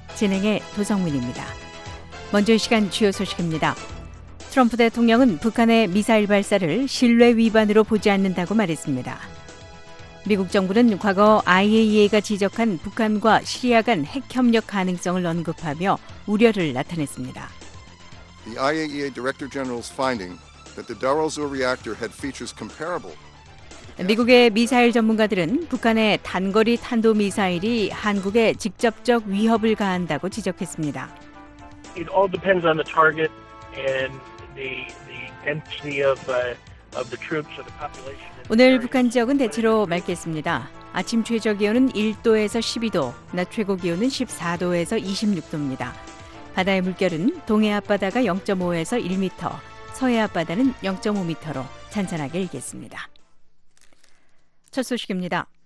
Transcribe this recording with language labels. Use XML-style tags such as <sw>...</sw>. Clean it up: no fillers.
<ko>진행의 도성민입니다. 먼저 이 시간 주요 소식입니다. 트럼프 대통령은 북한의 미사일 발사를 신뢰 위반으로 보지 않는다고 말했습니다. 미국 정부는 과거 IAEA가 지적한 북한과 시리아 간 핵협력 가능성을 언급하며 우려를 나타냈습니다.</ko> <en>The IAEA Director General's finding that the Dara-Zur reactor had features comparable.</en> <ko>미국의 미사일 전문가들은 북한의 단거리 탄도미사일이 한국에 직접적 위협을 가한다고 지적했습니다.</ko> <en>It all depends on the target and the density of the troops or the population.</en> <ko>오늘 북한 지역은 대체로 맑겠습니다. 아침 최저 기온은 1도에서 12도, 낮 최고 기온은 14도에서 26도입니다. 바다의 물결은 동해 앞바다가 0.5에서 1m, 서해 앞바다는 0.5m로 찬찬하게 일겠습니다. 첫 소식입니다.</ko>